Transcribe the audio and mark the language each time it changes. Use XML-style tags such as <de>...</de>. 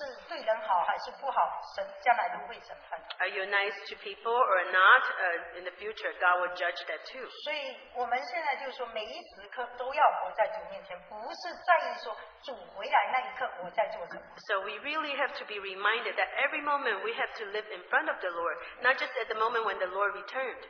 <zh>你是对人好还是不好，神将来都会审判。</zh> <en>Are you nice to people or not? In the future, God will judge that too.</en> <zh>所以我们现在就是说，每一时刻都要活在主面前，不是在意说主回来那一刻我在做什么。So</zh> <en>we really have to be reminded that every moment we have to live in front of the Lord, not just at the moment when the Lord returned.</en>